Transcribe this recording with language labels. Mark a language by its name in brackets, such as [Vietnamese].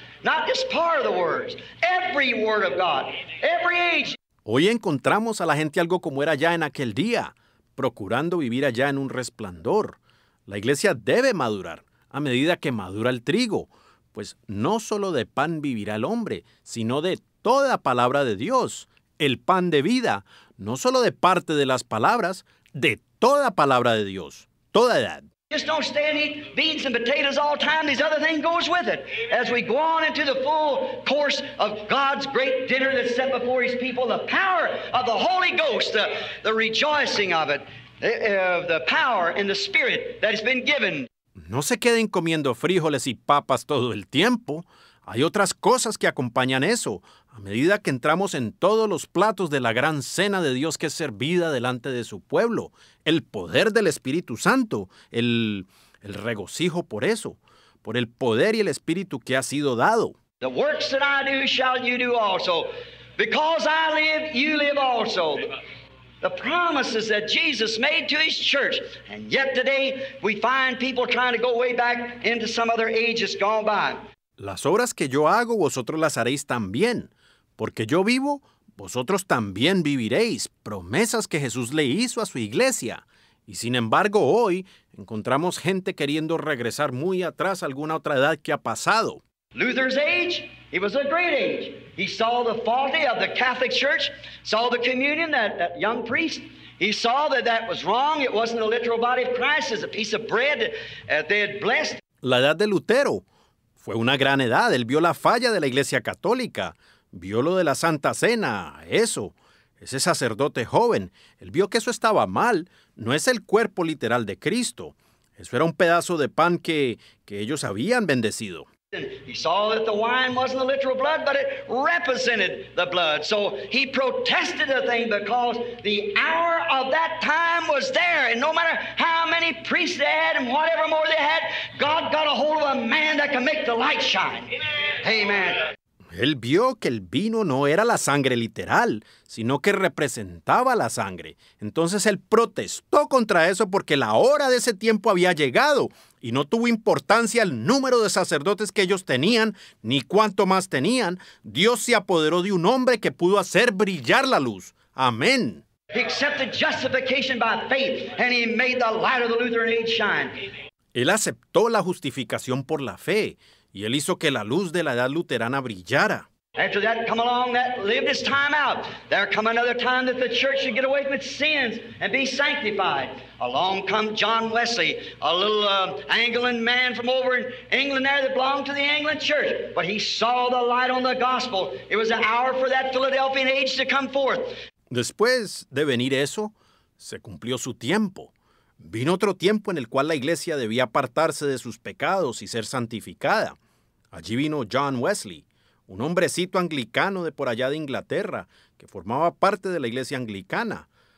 [English] Not just part of the words, every word of God, every age. [Spanish] Hoy encontramos a la gente algo como era ya en aquel día, procurando vivir allá en un resplandor. La iglesia debe madurar a medida que madura el trigo, pues no solo de pan vivirá el hombre, sino de toda palabra de Dios, el pan de vida, no solo de parte de las palabras, de toda palabra de Dios, toda edad. [English] Just don't stay and eat beans and potatoes all time. These other things goes with it. As we go on into the full course of God's great dinner that's set before his people, the power of the Holy Ghost, the rejoicing of it, the power and the spirit that has been given. [Spanish] No se queden comiendo frijoles y papas todo el tiempo. Hay otras cosas que acompañan eso. A medida que entramos en todos los platos de la gran cena de Dios que es servida delante de su pueblo, el poder del Espíritu Santo, el regocijo por eso, por el poder y el Espíritu que ha sido dado. [English] The works that I do shall you do also. Because I live, you live also. The promises that Jesus made to his church. And yet today, we find people trying to go way back into some other ages gone by. [Spanish] Las obras que yo hago, vosotros las haréis también. Porque yo vivo, vosotros también viviréis. Promesas que Jesús le hizo a su iglesia. Y sin embargo, hoy, encontramos gente queriendo regresar muy atrás a alguna otra edad que ha pasado. [English] Luther's age, it was a great age. He saw the folly of the Catholic Church, saw the communion, that young priest. He saw that was wrong. It wasn't a literal body of Christ. It was a piece of bread that they had blessed. [Spanish] La edad de Lutero fue una gran edad. Él vio la falla de la Iglesia Católica. Vio lo de la Santa Cena, eso. Ese sacerdote joven, él vio que eso estaba mal. No es el cuerpo literal de Cristo. Eso era un pedazo de pan que ellos habían bendecido. [English] He saw that the wine wasn't the literal blood, but it represented the blood. So he protested the thing because the hour of that time was there. And no matter how many priests they had and whatever more they had, God got a hold of a man that can make the light shine. Amen. [Spanish] Él vio que el vino no era la sangre literal, sino que representaba la sangre. Entonces él protestó contra eso porque la hora de ese tiempo había llegado y no tuvo importancia el número de sacerdotes que ellos tenían ni cuánto más tenían. Dios se apoderó de un hombre que pudo hacer brillar la luz, Amen. [English] He accepted justification by faith, and he made the light of the Lutheran age shine. [Spanish] Él aceptó la justificación por la fe, y él hizo que la luz de la edad luterana brillara. [English] After that, come along, that lived his time out. There come another time that the church should get away from its sins and be sanctified. Along come John Wesley, a little Anglican man from over in England there that belonged to the Anglican church. But he saw the light on the gospel. It was the hour for that Philadelphian age to come forth. [Spanish] Después de venir eso, se cumplió su tiempo. Vino otro tiempo en el cual la iglesia debía apartarse de sus pecados y ser santificada. Allí vino John Wesley, un hombrecito anglicano de por allá de Inglaterra, que formaba parte de la iglesia anglicana.